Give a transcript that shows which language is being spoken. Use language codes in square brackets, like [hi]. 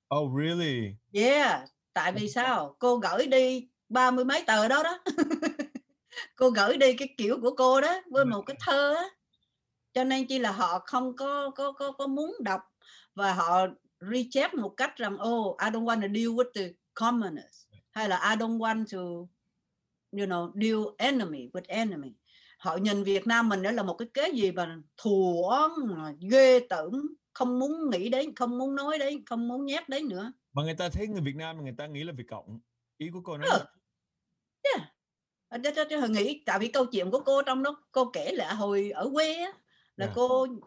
[en] Oh, really? Yeah. [vi] Tại vì sao? Cô gửi đi 30 mấy tờ đó. Cô gửi đi cái kiểu của cô đó với một cái thơ á. Cho nên chỉ là họ không có muốn đọc. Và họ reject một cách rằng [en] oh, I don't want to deal with the communists. [vi] Hay là [en] I don't want to, you know, deal enemy with enemy. [vi] Họ nhìn Việt Nam mình đó là một cái kế gì mà thù oán, ghê tởm, không muốn nghĩ đến, không muốn nói đến, không muốn nhắc đến nữa. Mà người ta thấy người Việt Nam, người ta nghĩ là Việt Cộng. Ý của cô nói là... [en] Yeah. [vi] Họ nghĩ, tại vì câu chuyện của cô trong đó, cô kể lại hồi ở quê á, là cô...